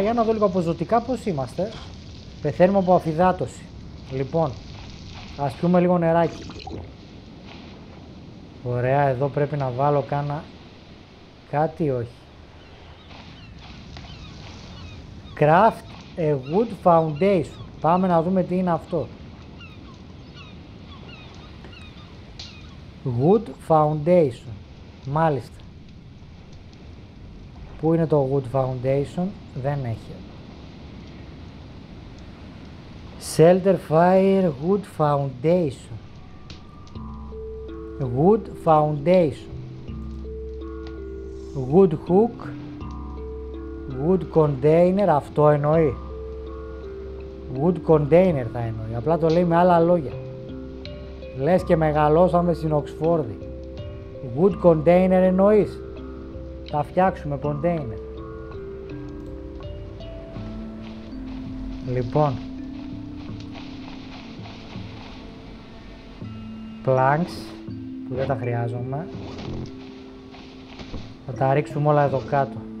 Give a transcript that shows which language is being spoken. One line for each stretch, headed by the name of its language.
Greek: Για να δω λίγο από ζωτικά πώς είμαστε. Πεθαίνουμε από αφυδάτωση. Λοιπόν, ας πιούμε λίγο νεράκι. Ωραία, εδώ πρέπει να βάλω κάτι, όχι.
English: Craft a wood foundation.
Greek: Πάμε να δούμε τι είναι αυτό.
English: Wood foundation. Μάλιστα.
Greek: Πού είναι το wood foundation? Δεν έχει.
English: Shelter fire wood foundation. Wood foundation. Wood hook.
Greek: Wood container, αυτό εννοεί. Wood container θα εννοεί. Απλά το λέει με άλλα λόγια. Λες και μεγαλώσαμε στην Οξφόρδη. Wood container εννοείς. Θα φτιάξουμε container. Λοιπόν. Planks, που δεν τα χρειάζομαι. Θα τα ρίξουμε όλα εδώ κάτω.